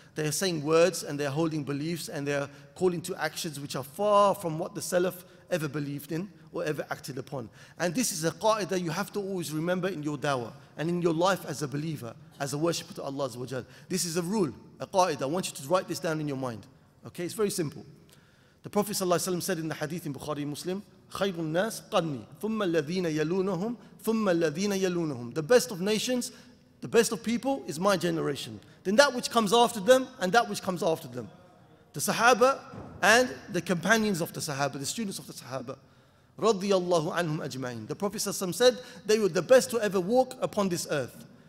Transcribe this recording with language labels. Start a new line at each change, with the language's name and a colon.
English: They are saying words and they are holding beliefs and they are calling to actions which are far from what the Salaf ever believed in or ever acted upon. And this is a qa'idah you have to always remember in your dawah and in your life as a believer, as a worshipper to Allah Azza wa Jal. This is a rule, a qa'idah. I want you to write this down in your mind. Okay, it's very simple. The Prophet ﷺ said in the hadith in Bukhari Muslim,
Arabic: خَيْرُ النَّاسِ قَرْنِي ثُمَّ الَّذِينَ يَلُونَهُمْ
English: ثُمَّ الَّذِينَ يَلُونَهُمْ. The best of nations, the best of people is my generation. Then that which comes after them and that which comes after them. The Sahaba and the companions of the Sahaba, the students of the Sahaba. Radiallahu anhum ajma'in. The Prophet ﷺ said they were the best to ever walk upon this earth.